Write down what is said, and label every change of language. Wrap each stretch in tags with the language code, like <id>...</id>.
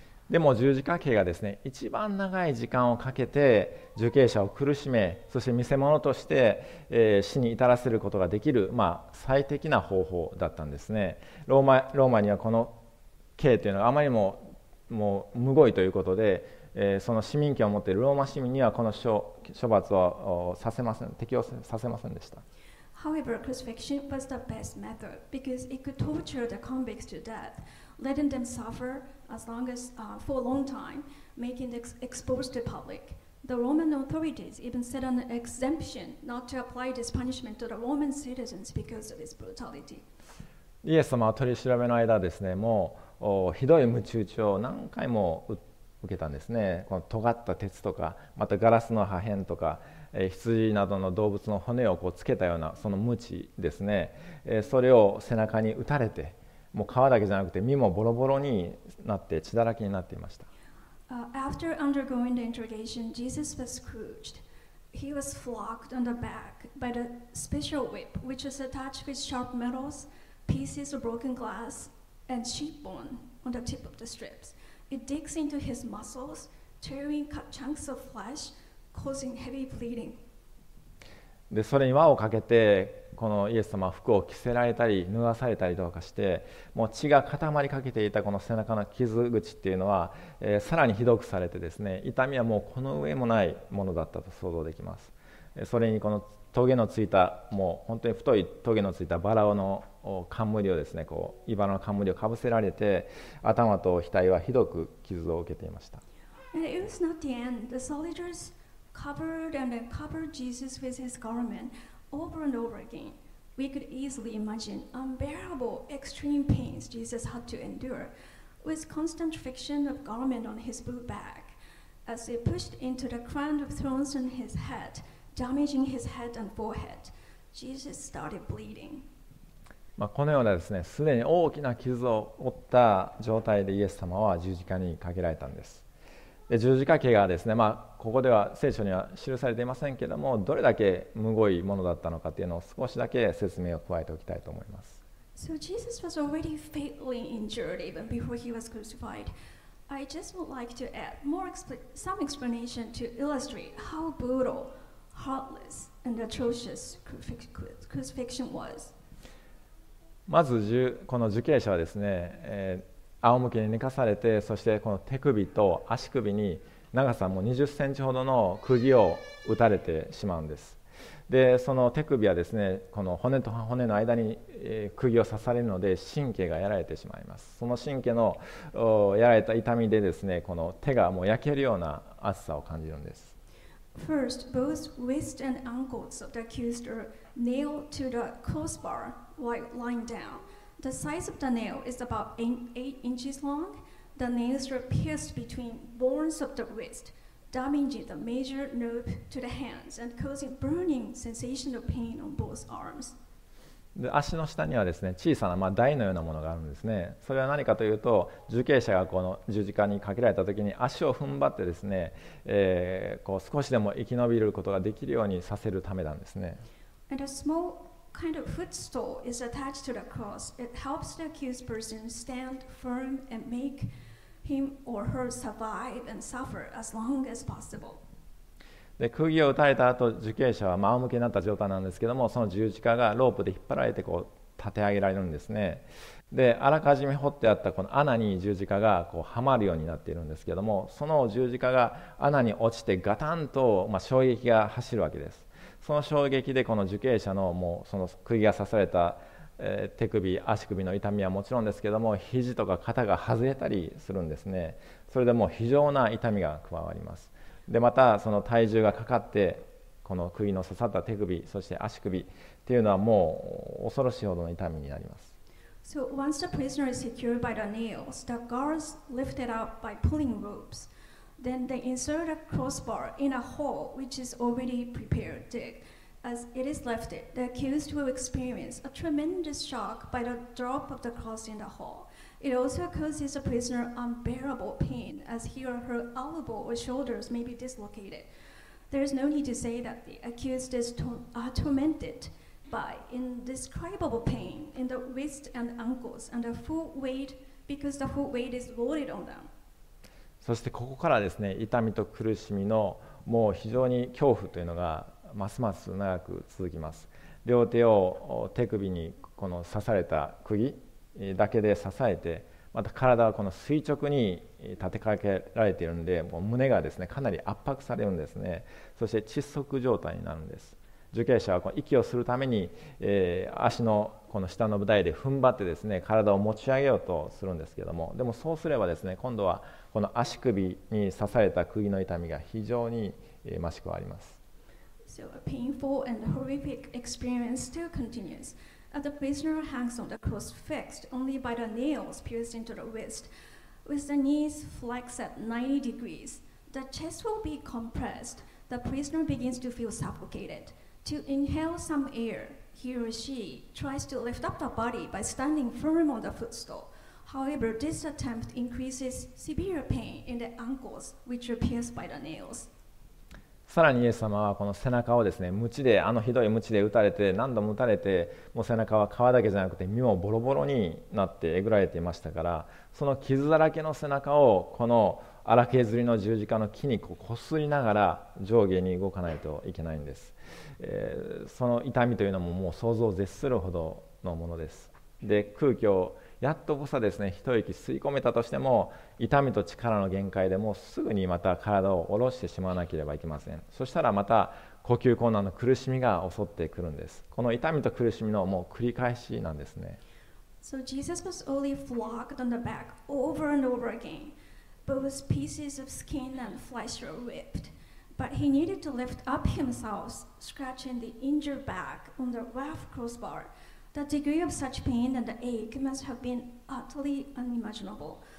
<ja>でも十字架刑がですね、一番長い時間をかけて受刑者を苦しめ、そして見せ物として、死に至らせることができる、まあ、最適な方法だったんですね。ローマにはこの刑というのがあまりにもうむごいということで、その市民権を持っているローマ市民にはこの処罰はさせません、適用させませんでした。</ja> <en>However, crucifixion was the best method because it could torture the convicts to death, letting them suffer as long as, for a long time, making them exposed to public. The Roman authorities even set an exemption not to apply this punishment to the Roman citizens because of its brutality.</en> <ja>イエス様は取り調べの間ですね、もうひどい鞭打ちを何回も受けたんですね。この尖った鉄とか、またガラスの破片とか、羊などの動物の骨をこうつけたようなその鞭ですね、それを背中に打たれてもう皮だけじゃなくて身もボロボロになって血だらけになっていました。</ja> <en>After undergoing the interrogation, Jesus was scourged. He was flogged on the back by the special whip, which was attached with sharp metals, pieces of broken glass, and sheep bone on the tip of the strips. It digs into his muscles, tearing cut chunks of fleshcausing heavy bleeding.</en> <ja>でそれに輪をかけてこのイエス様は服を着せられたり脱がされたりとかしてもう血が固まりかけていたこの背中の傷口っていうのは、さらにひどくされてですね痛みはもうこの上もないものだったと想像できます。それにこのトゲのついたもう本当に太いトゲのついたバラの冠をですねこうイバラの冠をかぶせられて頭と額はひどく傷を受けていました。</ja> <en>And it was not the end. The soldierscovered and then covered Jesus with his garment over and over again. We could easily imagine unbearable extreme pains Jesus had to endure with constant friction of garment on his blue back as they pushed into the crown of thorns on his head, damaging his head and forehead. Jesus started bleeding.</en> <ja>まあ、このようなですね、すでに大きな傷を負った状態でイエス様は十字架にかけられたんです。で十字架刑がですね、まあ、ここでは聖書には記されていませんけれども、どれだけむごいものだったのかというのを少しだけ説明を加えておきたいと思います。</ja> <en>So Jesus was already fatally injured even before he was crucified. I just would like to add some explanation to illustrate how brutal, heartless, and atrocious crucifixion was.</en> <ja>まずこの受刑者はですね、仰向けに寝かされて、そしてこの手首と足首に長さも20センチほどの釘を打たれてしまうんです。で、その手首はですね、この骨と骨の間に釘を刺されるので神経がやられてしまいます。その神経のやられた痛みでですね、この手がもう焼けるような熱さを感じるんです。</ja> <en>First, both wrist and ankles of the accused are nailed to the crossbar while lying down. The size of the nail is about 8 inches long. The nails are pierced between bones of the wrist, damaging the major nerve to the hands and causing burning sensation of pain on both arms.</en> <ja>で、足の下にはですね、小さな台のようなものがあるんですね。それは何かというと、受刑者がこの十字架にかけられたときに足を踏ん張ってですね、こう少しでも生き延びることができるようにさせるためなんですね。</ja> <en>And a small kind of footstool is attached to the cross. It helps the accused person stand firm and make him or her survive and suffer as long as possible.</en> <ja>で、釘を打たれた後、受刑者は仰向けになった状態なんですけども、その十字架がロープで引っ張られてこう立て上げられるんですね。で、あらかじめ掘ってあったこの穴に十字架がこうはまるようになっているんですけども、その十字架が穴に落ちてガタンと衝撃が走るわけです。その衝撃でこの受刑者のもうその釘が刺された手首、足首の痛みはもちろんですけども、肘とか肩が外れたりするんですね。それでもう非常な痛みが加わります。でまたその体重がかかってこの釘の刺さった手首そして足首っていうのはもう恐ろしいほどの痛みになります。</ja> <en>So once the prisoner is secured by the nails, the guards lift it up by pulling ropes. Then they insert a crossbar in a hole which is already prepared dig. As it is lifted, the accused will experience a tremendous shock by the drop of the cross in the hole. It also causes a prisoner unbearable pain as he or her elbow or shoulders may be dislocated. There is no need to say that the accused is tormented by indescribable pain in the wrist and ankles and the full weight because the full weight is loaded on them.</en> <ja>そしてここからですね、痛みと苦しみのもう非常に恐怖というのがますます長く続きます。両手を手首にこの刺された釘だけで支えて、また体はこの垂直に立てかけられているので、もう胸がですね、かなり圧迫されるんですね。そして窒息状態になるんです。受刑者はこの息をするために、足のこの下の台で踏ん張ってですね、体を持ち上げようとするんですけども、でもそうすればですね、今度はこの足首に刺された釘の痛みが非常に増し加わります。</ja> <en>So a painful and horrific experience still continues. As the prisoner hangs on the cross fixed only by the nails pierced into the wrist, with the knees flexed at 90 degrees, the chest will be compressed. The prisoner begins to feel suffocated. To inhale some air, he or she tries to lift up the body by standing firm on the footstool. However, this attempt increases severe pain in the ankles, which are pierced by the nails.</en> <ja>さらにイエス様はこの背中をですね、鞭で、あのひどい鞭で打たれて、何度も打たれて、もう背中は皮だけじゃなくて、身もボロボロになってえぐられていましたから、その傷だらけの背中をこの荒削りの十字架の木にこすりながら上下に動かないといけないんです。その痛みというのももう想像を絶するほどのものです。で、空気をやっとぼさですね、一息吸い込めたとしても、痛みと力の限界でもうすぐにまた体を下ろしてしまわなければいけません。そしたらまた呼吸困難の苦しみが襲ってくるんです。この痛みと苦しみのもう繰り返しなんですね。</ja> <en>So Jesus was only flogged on the back over and over again. Both pieces of skin and flesh were ripped. But he needed to lift up himself, scratching the injured back on the rough crossbar. The degree of such pain and the ache must have been utterly unimaginable.</en>